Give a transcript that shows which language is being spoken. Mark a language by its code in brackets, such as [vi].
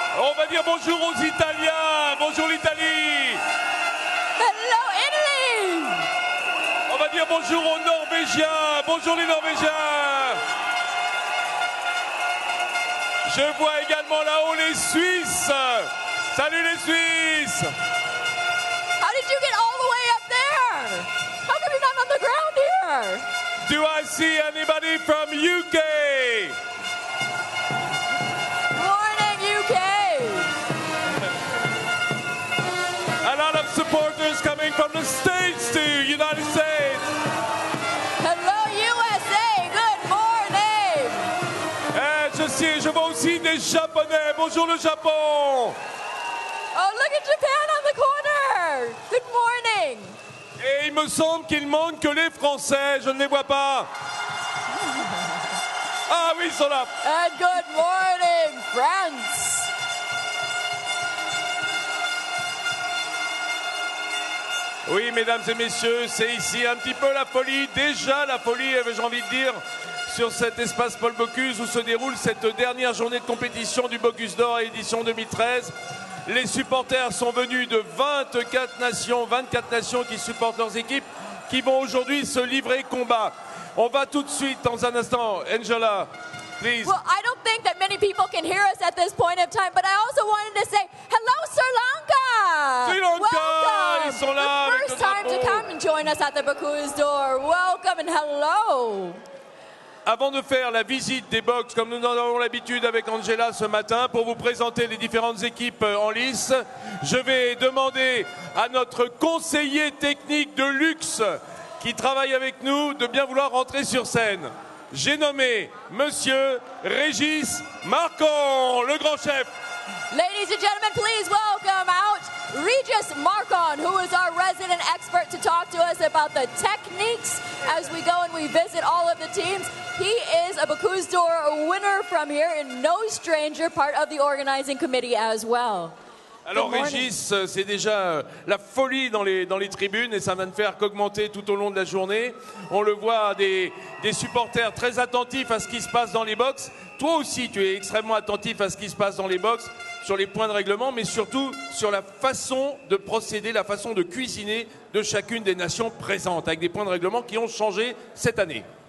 [fr] On va dire bonjour aux Italiens. Bonjour l'Italie. [en] Hello, Italy. [fr] On va dire bonjour aux Norvégiens. Bonjour les Norvégiens. Je vois également là-haut les Suisses. Salut les Suisses! [en] How did you get all the way up there? How come you're not on the ground here? Do I see anybody from UK? Morning, UK! A lot of supporters coming from the States to United States. Hello, USA! Good morning! [fr] Je vois aussi des Japonais. Bonjour le Japon! [en] Oh, look at Japan on the corner! Good morning! [fr] Et il me semble qu'il manque que les Français, je ne les vois pas. Ah oui, ils sont là! [en] And good morning, France! [fr] Oui, mesdames et messieurs, c'est ici un petit peu la folie, déjà la folie, avais-je envie de dire, sur cet espace Paul Bocuse où se déroule cette dernière journée de compétition du Bocuse d'Or édition 2013. Les supporters sont venus de 24 nations qui supportent leurs équipes, qui vont aujourd'hui se livrer combat. On va tout de suite, dans un instant, [en] Angela, please. Well, I don't think that many people can hear us at this point of time, but I also wanted to say, hello, Sri Lanka! Sri Lanka! Welcome! [fr] Ils sont là, [en] the first time to come and join us at the Bocuse d'Or. Welcome and hello! [fr] Avant de faire la visite des box, comme nous en avons l'habitude avec Angela ce matin, pour vous présenter les différentes équipes en lice, je vais demander à notre conseiller technique de luxe qui travaille avec nous de bien vouloir rentrer sur scène. J'ai nommé Monsieur Régis Marcon, le grand chef. [en] Ladies and gentlemen, please welcome out Regis Marcon, who is our resident expert to talk to us about the techniques as we go and we visit all of the teams. He is a Bocuse d'Or winner from here and no stranger, part of the organizing committee as well. [fr] Alors Régis, c'est déjà la folie dans les tribunes et ça va ne faire qu'augmenter tout au long de la journée. On le voit, des supporters très attentifs à ce qui se passe dans les box. Toi aussi, tu es extrêmement attentif à ce qui se passe dans les box, sur les points de règlement, mais surtout sur la façon de procéder, la façon de cuisiner de chacune des nations présentes, avec des points de règlement qui ont changé cette année.